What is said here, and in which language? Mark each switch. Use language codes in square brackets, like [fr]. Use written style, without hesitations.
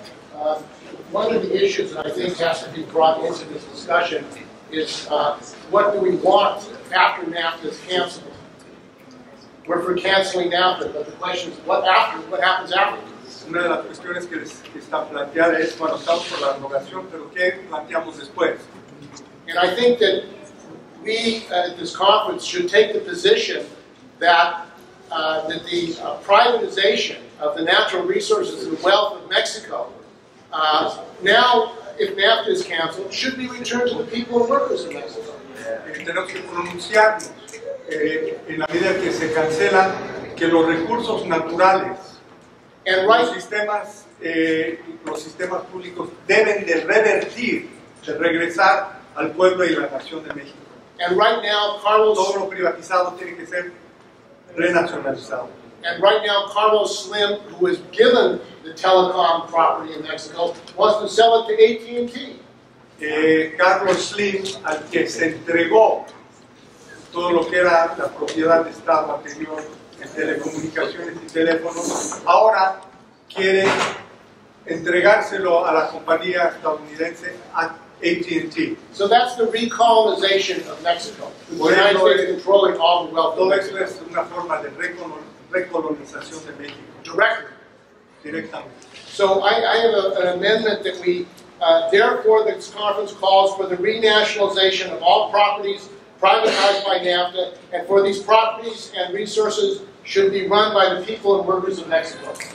[en] One of the issues that I think has to be brought into this discussion is what do we want after NAFTA is canceled? We're for canceling NAFTA, but the question is what after? What happens after? [es] Una de las cuestiones que está planteada es bueno, estamos por la derogación, pero ¿qué planteamos después? [en] And I think that we at this conference should take the position that privatization of the natural resources and wealth of Mexico. Now, if NAFTA is canceled, should be returned to the people and workers of Mexico. [es] Tenemos que pronunciarnos en la medida que se cancela que los recursos naturales, [en] and right, [es] los sistemas públicos deben de revertir, de regresar al pueblo y la nación de México. [en] And right now, Carlos, [es] todo lo privatizado tiene que ser renacionalizado. [en] And right now, Carlos Slim, who was given the telecom property in Mexico, wants to sell it to AT&T. [es] Carlos Slim, al que se entregó todo lo que era la propiedad de Estado anterior en telecomunicaciones y teléfonos, ahora quiere entregárselo a la compañía estadounidense AT&T. [en] So that's the recolonization of Mexico. The United States controlling all the wealth. [es] Todo eso es una forma de recolonización de México. [en] Directly. So I have an amendment that we, therefore this conference calls for the renationalization of all properties privatized by NAFTA, and for these properties and resources should be run by the people and workers of Mexico.